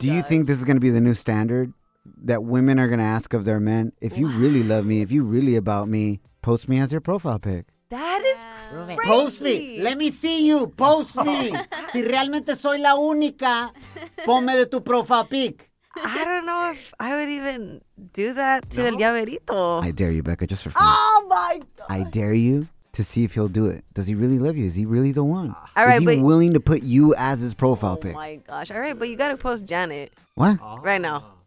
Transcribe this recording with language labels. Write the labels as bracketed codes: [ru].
[en] Do you think this is going to be the new standard? That women are going to ask of their men, if you really love me, if you really about me, post me as your profile pic. That is crazy. Post me. Let me see you. Post me. [es] Si realmente soy la única, ponme de tu [en] profile pic. I don't know if I would even do that to [es] el llaverito. [en] I dare you, Becca, just for fun. Oh, my God. I dare you to see if he'll do it. Does he really love you? Is he really the one? All right, is he willing to put you as his profile pic? Oh, my gosh. All right, but you got to post Janet. What? Right now.